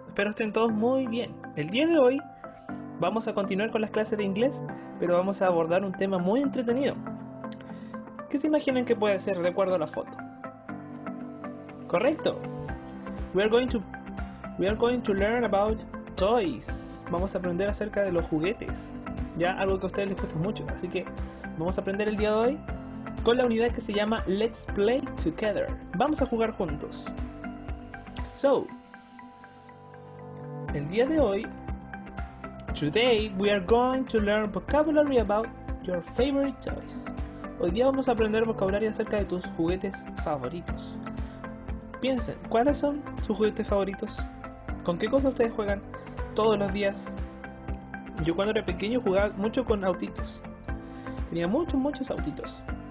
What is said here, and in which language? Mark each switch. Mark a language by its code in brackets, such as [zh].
[es] Espero estén todos muy bien. El día de hoy vamos a continuar con las clases de inglés, pero vamos a abordar un tema muy entretenido. ¿Qué se imaginan que puede ser de acuerdo a la foto? Correcto. [en] We are going to learn about toys. [es] Vamos a aprender acerca de los juguetes. Ya algo que a ustedes les cuesta mucho, así que vamos a aprender el día de hoy con la unidad que se llama [en] Let's Play Together. [es] Vamos a jugar juntos. [en] So, [es] el día de hoy, [en] today we are going to learn vocabulary about your favorite toys. [es] Hoy día vamos a aprender vocabulario acerca de tus juguetes favoritos. Piensen, ¿cuáles son sus juguetes favoritos? ¿Con qué cosa ustedes juegan todos los días? Yo cuando era pequeño jugaba mucho con autitos. Tenía muchos, muchos autitos.